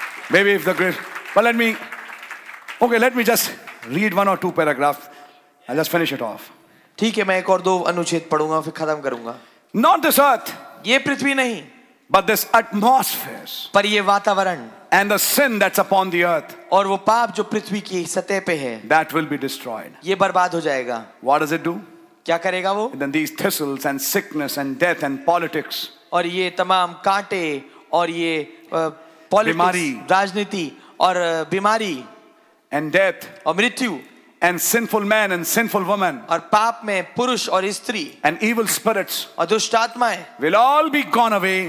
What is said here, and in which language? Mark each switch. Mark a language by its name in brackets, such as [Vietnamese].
[English] Maybe if the grid, but let me, okay, let me just read one or two paragraphs. I'll just finish it off. [Hindi] ठीक है, मैं एक और दो अनुच्छेद पढूंगा फिर खत्म करूंगा। [English] Not this earth, [Hindi] ये पृथ्वी नहीं, [English] but this atmosphere, [Hindi] पर ये वातावरण, [English] and the sin that's upon the earth, [Hindi] और वो पाप जो पृथ्वी की सतह पे है, [English] that will be destroyed, [Hindi] ये बर्बाद हो जाएगा। [English] What does it do? [Hindi] क्या करेगा वो? [English] Then these thistles and sickness and death and politics, [Hindi] और ये तमाम कांटे और ये बीमारी, राजनीति और बीमारी, [English] and death [Hindi] और मृत्यु, [English] and sinful man and sinful woman, [Hindi] और पाप में पुरुष और स्त्री, [English] and evil spirits [Hindi] और दुष्ट आत्माएं, [English] will all be gone away,